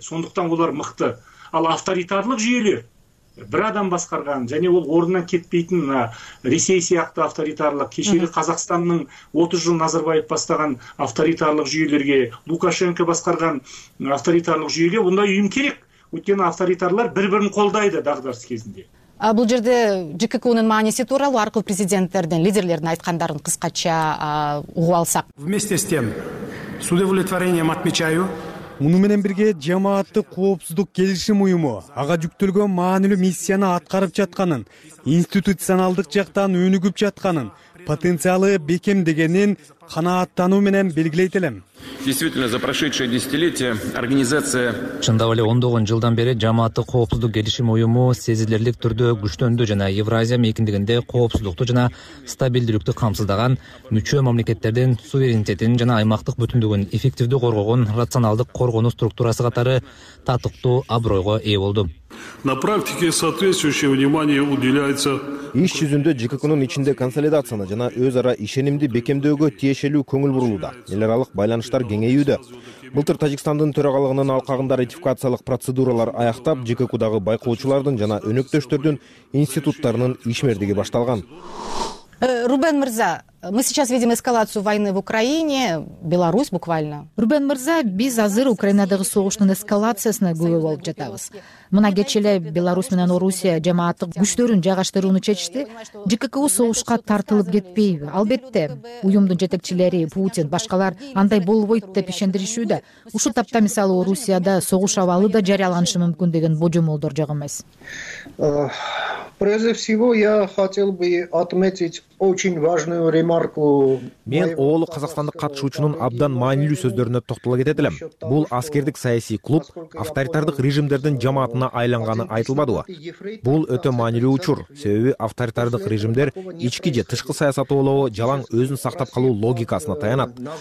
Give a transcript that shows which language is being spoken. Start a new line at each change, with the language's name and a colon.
Kazakh: Сондықтан олар мықты. Ал авторитарлық жүйелер, бір адам басқарған және ол орнынан кетпейтін Ресей сияқты авторитарлық, кешегі Қазақстанның 30 жыл Назарбаев бастаған авторитарлық жүйелерге, Лукашенко басқарған авторитарлық жүйеге ондай ұйым керек. Өйткені авторитарлар бір-бірін қолдайды дағдарыс кезінде. Бұл жерде ЖКК-ның маңызы туралы арқылы президенттердің, лидерлердің айтқандарын қысқаша ұғып алсақ.
Russian: Вместе с тем, с удовлетворением отмечаю.
Kyrgyz: Мұныменен бірге жамаатты қоопсуздук келишим уюму ага жүктөлгөн маанилүү миссияны аткарып жатканын, институционалдык жактан өнүгүп жатканын, потенциалы бекем дегенин канааттануу менен белгилейт элем.
Russian: Действительно, за прошедшие десятилетия организация...
Kyrgyz: Чындап эле 19 жылдан бери жамааттык коопсуздук келишим уюму сезилерлик түрдө күчтөндү жана Евразия мейкиндигинде коопсуздукту жана стабилдүүлүктү камсыздаган мүчө мамлекеттердин суверенитетин жана аймактык бүтүндүгүн эффективдүү коргогон рационалдык коргонуу структурасы катары татыктуу абройго ээ болду.
Russian: На практике соответствующее внимание уделяется...
Kyrgyz: Иш жүзүндө ЖКК-нын ичинде консолидацияны жана өз ара ишенимди бекемдөөгө тиешелүү көңүл бурулууда. Эларалык байланыштар кеңейүүдө. Былтыр Тажикстандын төрагалыгынын алкагында ратификациялык процедуралар аяктап, ЖКК-дагы байкоочулардын жана өнөктөштөрдүн институттарынын ишмердиги башталган.
Russian: Рубен Мырза, мы сейчас видим эскалацию войны в Украине, Беларусь буквально.
Kyrgyz: Рубен Мырза, биз азыр Украинадагы согуштун эскалациясына күбө болуп жатабыз. Мына кече эле Беларусь менен Орусия жамааттык күчтөрүн жайгаштырууну чечти. ЖКК согушка тартылып кетпейби? Албетте, уюмдун жетекчилери, Путин, башкалар андай болбойт деп ишендиришүүдө. Ушул тапта мисалы Орусияда согуш абалы да жарыяланышы мүмкүн деген божомолдор жок эмес.
Russian: Прежде всего, я хотел бы отметить очень важную ремарку.
Kyrgyz: Мен оолу Казакстандык катышуучунун абдан маанилүү сөздөрүнө токтоло кетет элем. Бул аскердик саясий клуб авторитардык режимдердин жамаатына айланганы айтылбадыбы? Бул өтө маанилүү учур. Себеби авторитардык режимдер ички же тышкы саясатты ойлобо, жалаң өзүн сактап калуу логикасына таянат.